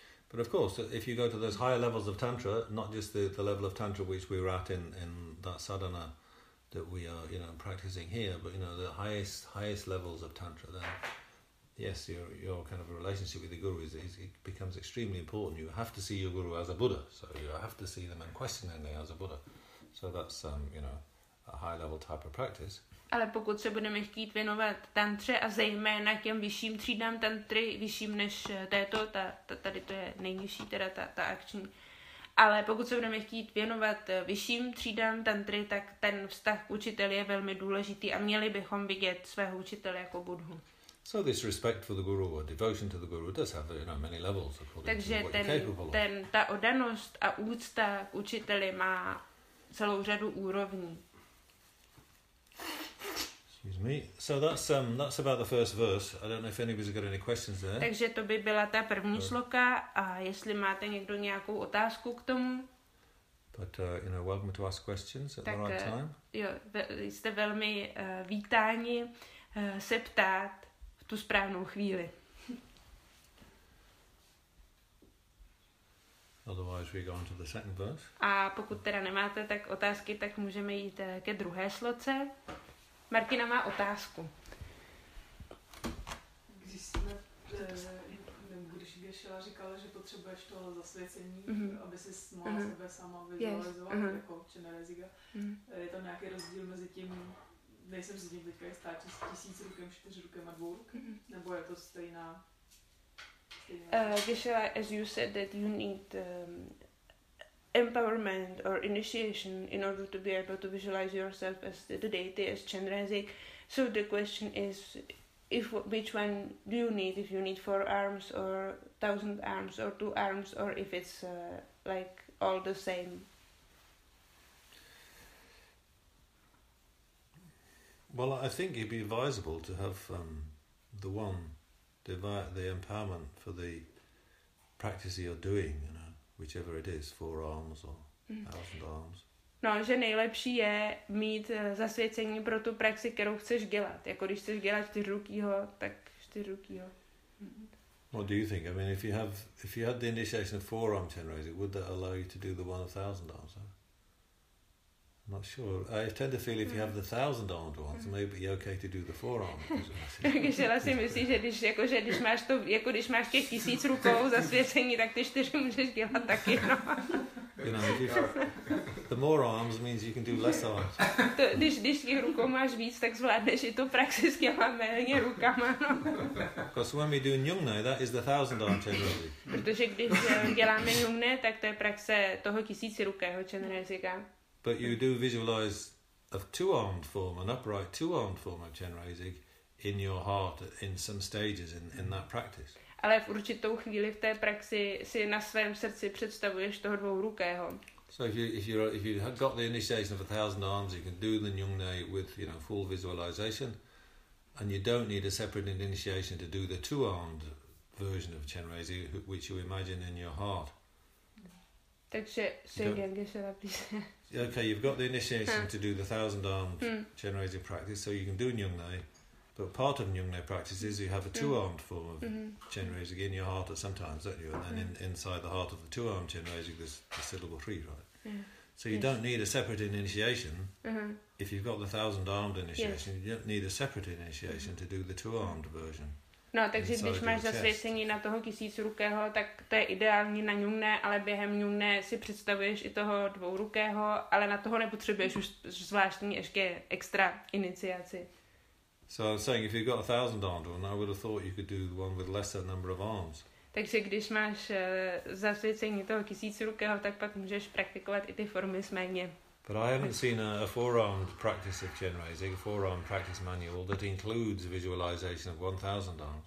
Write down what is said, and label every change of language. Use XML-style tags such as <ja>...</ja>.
<en>But of course, if you go to those higher levels of tantra, not just the level of tantra which we were at in that sadhana that we are, you know, practicing here, but you know the highest levels of tantra, then yes, your kind of a relationship with the guru it becomes extremely important. You have to see your guru as a Buddha, so you have to see them and question them as a Buddha. So that's you know, a high level type of practice.</en> <cs>Ale pokud se budeme chtít věnovat tantře a zejména těm vyšším třídám tantry, vyšším než této, tady to je nejnižší, teda ta akční. Ale pokud se budeme chtít věnovat vyšším třídám tantry, tak ten vztah učitel je velmi důležitý a měli bychom vidět svého učitele jako Buddhu.</cs> <en>So this respect for the guru or devotion to the guru does have, you know, many levels according</en> <cs>takže</cs> <en>to what you're capable of.</en> <cs>Ten ta oddanost a úcta k učiteli má celou řadu úrovní.</cs> <en>Excuse me. So that's about the first verse. I don't know if anybody's got any questions there.</en> <cs>Takže to by byla ta první sloka, a jestli máte někdo nějakou otázku k tomu.</cs> <en>But you know, welcome to ask questions at the right time.</en> <cs>Jo, jste velmi vítáni se ptát v tu správnou chvíli.</cs> <en>Otherwise we go on to the second verse.</en> <cs>A pokud teda nemáte tak otázky, tak můžeme jít ke druhé sloce. Martina má otázku. Když Gešela říkala, že potřebuješ toho zasvěcení, mm-hmm. aby si mohla mm-hmm. sebe sama vizualizovat, mm-hmm. jako Čenereziga, mm-hmm. je tam nějaký rozdíl mezi tím, nejsem si tím teďka, jestli stáčí s tisíc rukem, čtyř rukem a dvou ruk, mm-hmm. nebo je to stejná?</cs> <en>Gešela, as you said that you need empowerment or initiation in order to be able to visualize yourself as the deity, as Chenrezig. So the question is, which one do you need? If you need four arms or 1,000 arms or two arms, or if it's like all the same? Well, I think it'd be advisable to have the one, the empowerment for the practice you're doing, you know. Whichever it is, four arms or 1,000 arms.</en> <cs>No, že nejlepší je mít zasvěcení pro tu praxi, kterou chceš dělat. Jako když chceš dělat čtyřrukýho, tak čtyřrukýho.</cs> <en>What do you think? I mean, if you had the initiation of four arm tenrays, would that allow you to do the 1,000 arms? Huh? Not sure. I tend to feel if you have the 1,000 armed ones, maybe it's okay to do the four arm.</en> <cs>Když si myslíš, že když máš to, jako když máš těch tisíc rukou zasvěcení, tak ty čtyři můžeš dělat taky. No.</cs> <en>You know, the more arms means you can do less arms.</en> <cs>To, když těch rukou máš víc, tak zvládneš i tu praxi s těma méně rukama.</cs> <en>Because when we do nyungne, that is the 1,000 arm chenrezig.</en> <cs>Protože když děláme nyungne, tak to je praxe toho tisícirukého chenreziga.</cs> <en>But you do visualize a two-armed form, an upright two-armed form of Chenrezig in your heart in some stages in that practice.</en> <cs>Ale v určitou chvíli v té praxi si na svém srdci představuješ toho dvourukého.</cs> <en>So if you have got the initiation of 1,000 arms, you can do the nyungne with, you know, full visualization, And you don't need a separate initiation to do the two-armed version of Chenrezig, which you imagine in your heart. Okay, you've got the initiation to do the thousand-armed Chenrezig practice, so you can do Nyungnae. But part of Nyungnae practice is you have a two-armed form of Chenrezig in your heart at some times, don't you? And then inside the heart of the two-armed Chenrezig, there's the syllable three, right? Yeah. So you don't need a separate initiation. If you've got the thousand-armed initiation, you don't need a separate initiation to do the two-armed version.</en> <cs>No, takže když máš zasvěcení na toho tisícrukého, tak to je ideální na Nyungnae, ale během Nyungnae si představuješ i toho dvourukého, ale na toho nepotřebuješ už zvláštní ještě extra iniciaci.</cs> <en>So I'm saying if you've got a thousand-armed one, I would have thought you could do one with lesser number of arms.</en> <cs>Takže když máš zasvěcení toho tisícrukého, tak pak můžeš praktikovat i ty formy s méně.</cs> <en>But I haven't seen a four-armed practice of Chenrezig, a four-armed practice manual that includes visualization of 1,000 arms.</en>